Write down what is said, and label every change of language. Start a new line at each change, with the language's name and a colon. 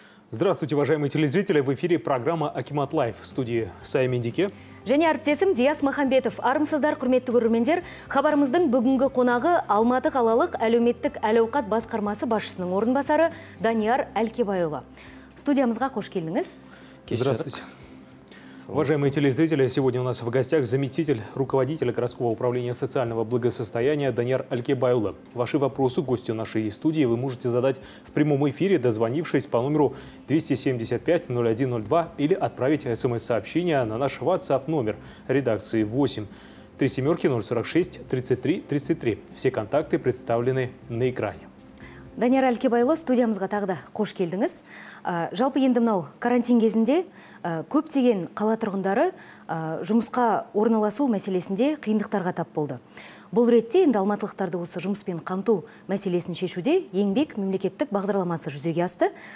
Russian: Здравствуйте, уважаемые телезрители. В эфире программа «Акимат Лайф» в студии Сая Мендике.
Kazakh: Және әртесім Диас Махамбетов. Армысыздар, құрметті көрермендер. Хабарымыздың бүгінгі қонағы Алматы қалалық әлеуметтік әл-ауқат басқармасы басшысының орынбасары Данияр Әлкебайұлы. Студиямызға қош келдіңіз.
Russian: Здравствуйте. Уважаемые телезрители, сегодня у нас в гостях заместитель руководителя городского управления социального благосостояния Данияр Әлкебайұлы. Ваши вопросы гостю нашей студии вы можете задать в прямом эфире, дозвонившись по номеру 275-0102 или отправить смс-сообщение на наш WhatsApp номер редакции 8-37-046-33-33. Все контакты представлены на экране.
Kazakh: Данияр Әлкебайұлы, студиямызға тағы да қош келдіңіз. Жалпы енді мынау карантин кезінде көптеген қала тұрғындары жұмысқа орналасу мәселесінде қиындықтарға тап болды. Бұл ретте енді алматылықтарды осы жұмыспен қамту мәселесін шешуде еңбек мемлекеттік бағдарламасы жүзеге асты.